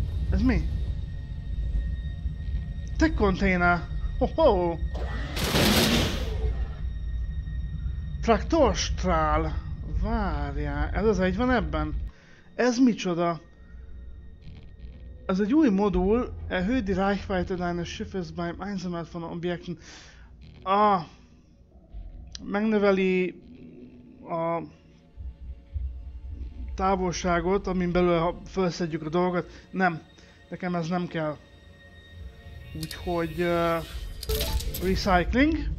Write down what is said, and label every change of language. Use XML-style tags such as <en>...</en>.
<hu>Ez mi?</hu> <en>Tech container! Ho-ho!</en> <hu>Traktorstrál! Várjál, ez az egy van ebben? Ez micsoda? Ez egy új modul,</hu> <de>erhöht die Reichweite deines Schiffes beim Einsammeln von Objekten.</de> <hu>Megnöveli a távolságot, amin belül felszedjük a dolgot. Nem, nekem ez nem kell. Úgyhogy recycling.</hu>